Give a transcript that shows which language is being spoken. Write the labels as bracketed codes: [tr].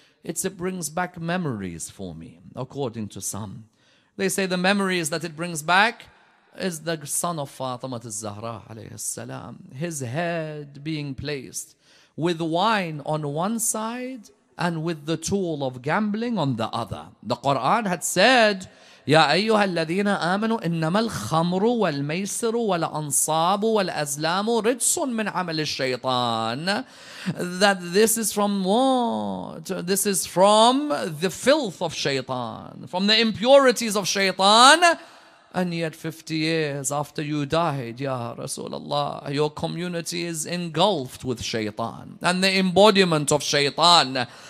[en] It brings back memories for me, according to some. They say the memories that it brings back is the son of Fatima al-Zahra, alayhi salam, his head being placed with wine on one side and with the tool of gambling on the other. The Quran had said, [ar] يَا أَيُّهَا الَّذِينَ آمَنُوا إِنَّمَا الْخَمْرُ وَالْمَيْسِرُ وَالْأَنصَابُ وَالْأَزْلَامُ رِجْسٌ مِّنْ عَمَلِ الشَّيْطَانِ. [en] That this is from what? This is from the filth of shaitan, from the impurities of shaitan. And yet 50 years after you died, Ya Rasulullah, your community is engulfed with shaitan and the embodiment of shaitan.